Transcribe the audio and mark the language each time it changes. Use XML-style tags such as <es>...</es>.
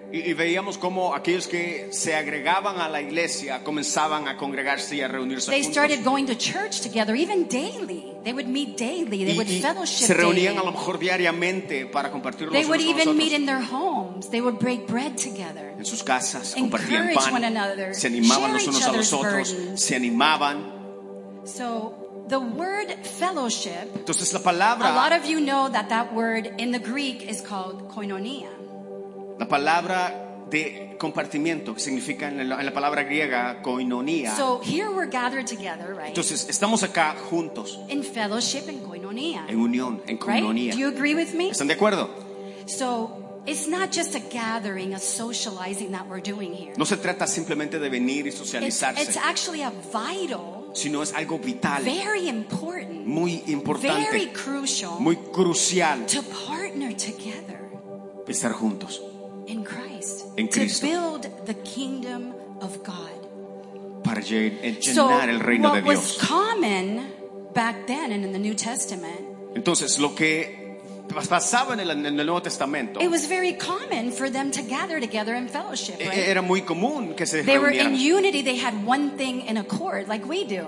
<es>Y veíamos cómo aquellos que se agregaban a la iglesia comenzaban a congregarse y a reunirse juntos.</es> <en>They started going to church together, even daily. They would meet daily. They would fellowship.</en> <es>Se reunían</es> <en>daily.</en> <es>A lo mejor diariamente para compartir los</es> <en>They would even meet in their homes. They would break bread together.</en> <es>En sus casas compartían</es> <en>encourage</en> <es>pan.</es> <en>One another,</en> <es>se animaban los unos a los otros.</es> <en>Burdens.</en> <es>Se animaban.</es> <en>So the word fellowship.</en> <es>Entonces, la palabra,</es> <en>a lot of you know that that word in the Greek is called koinonia.</en> <es>La palabra de compartimiento que significa en la palabra griega koinonia.</es> <en>So here we're gathered together, right?</en> <es>Entonces estamos acá juntos.</es> <en>In fellowship and koinonia.</en> <es>En unión, en koinonia.</es> <en>Right? Do you agree with me?</en> <es>¿Están de acuerdo?</es> <en>So it's not just a gathering, a socializing that we're doing here.</en> <es>No se trata simplemente de venir y socializarse.</es> <en>It's actually a vital.</en> <es>sino es algo vital,</es> <en>very important,</en> <es>muy importante,</es> <en>very crucial,</en> <es>muy crucial,</es> <en>to partner together,</en> <es>estar juntos</es> <en>in Christ,</en> <es>en Cristo,</es> <en>to build the kingdom of God,</en> <es>para llenar el reino de Dios.</es> <en>What was common back then and in the New Testament,</en> <es>entonces lo que pasaba en el Nuevo Testamento,</es> <en>it was very common for them to gather together in fellowship, right?</en> <es>Era muy común que se reunieran.</es> <en>They were in unity, they had one thing in accord, like we do.</en>